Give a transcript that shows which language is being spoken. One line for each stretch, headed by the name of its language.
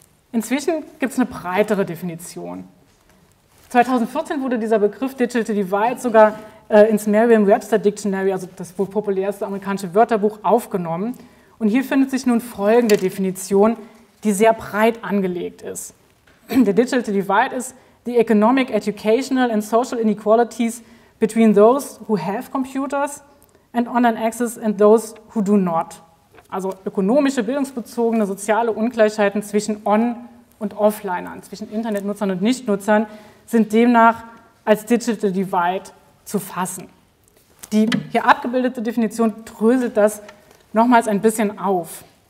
German: Inzwischen gibt es eine breitere Definition. 2014 wurde dieser Begriff Digital Divide sogar ins Merriam-Webster Dictionary, also das wohl populärste amerikanische Wörterbuch, aufgenommen. Und hier findet sich nun folgende Definition, die sehr breit angelegt ist. Der Digital Divide ist
English: the economic, educational and social inequalities between those who have computers and online access and those who do not.
German: Also ökonomische, bildungsbezogene, soziale Ungleichheiten zwischen On- und Offlinern, zwischen Internetnutzern und Nichtnutzern, sind demnach als Digital Divide zu fassen. Die hier abgebildete Definition dröselt das nochmals ein bisschen auf.